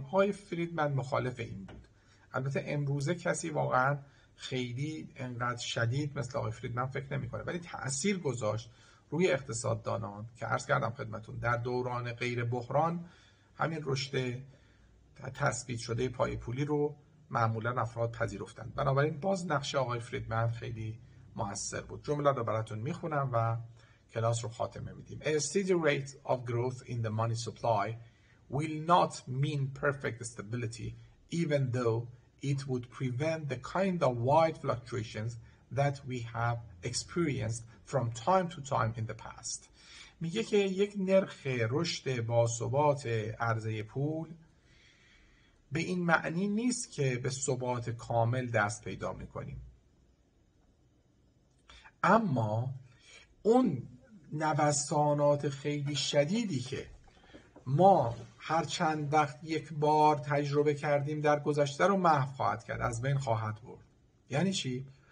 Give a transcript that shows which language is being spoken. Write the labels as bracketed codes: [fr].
[fa] آقای فریدمن مخالف این بود. البته امروزه کسی واقعا خیلی انقدر شدید مثل آقای فریدمن فکر نمیکنه، ولی تأثیر گذاشت روی اقتصاددانان که عرض کردم خدمتتون در دوران غیر بحران همین رشد تثبیت شده پای پولی رو معمولا افراد پذیرفتند. بنابراین باز نقش آقای فریدمن خیلی مؤثر بود. جمله رو براتون میخونم و کلاس رو خاتمه میدیم. [en] A steady rate of growth in the money supply will not mean perfect stability even though it would prevent the kind of wide fluctuations that we have experienced from time to time in the past. [fa] میگه که یک نرخ رشد با ثبات عرضه پول به این معنی نیست که به ثبات کامل دست پیدا میکنیم، اما اون نوسانات خیلی شدیدی که ما هر چند وقت یک بار تجربه کردیم در گذشته رو محو خواهد کرد، از بین خواهد برد. یعنی چی؟